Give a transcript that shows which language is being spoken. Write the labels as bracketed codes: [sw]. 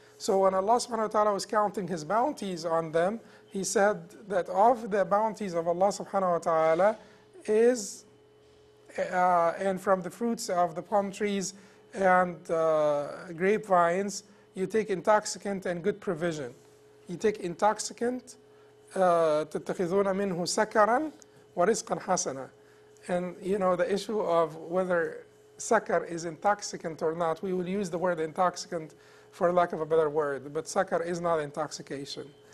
[en] So when Allah subhanahu wa ta'ala was counting his bounties on them, he said that of the bounties of Allah subhanahu wa ta'ala is, and from the fruits of the palm trees and grapevines, you take intoxicant and good provision. You take intoxicant, [ar] تَتَّخِذُونَ مِنْهُ سَكَرًا وَرِزْقًا حَسَنًا. [en] And, you know, the issue of whether sakar is intoxicant or not, we will use the word intoxicant for lack of a better word, but sakar is not intoxication.